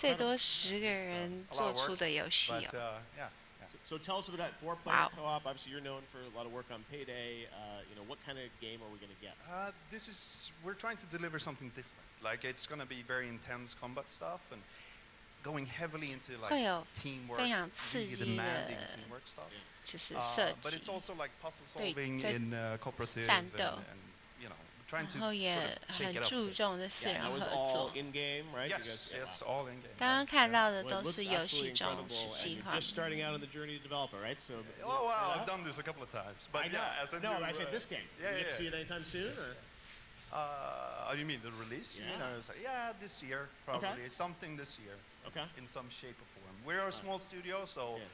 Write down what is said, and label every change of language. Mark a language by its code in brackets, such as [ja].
[zh] 最多十个人做出的游戏哦。 [en] But yeah. So tell us about that four-player co-op. Obviously, you're known for a lot of work on Payday. You know, what kind of game are we going to get? We're trying to deliver something different. Like it's going to be very intense combat stuff and. Going heavily into like teamwork, really demanding teamwork stuff. But it's also like puzzle solving in cooperative and you know, trying to sort of shake it up. Yeah, that was all in-game, right? Yes, all in-game. [zh] 刚刚看到的都是游戏中实际化。 [en] You're just starting out on the journey to developer, right? So, oh, wow, I've done this a couple of times. But yeah, as a new... No, I said this game. Yeah, you get to see it anytime soon? You mean the release? Yeah, this year, probably. Something this year. Okay. In some shape or form. We're a small studio, so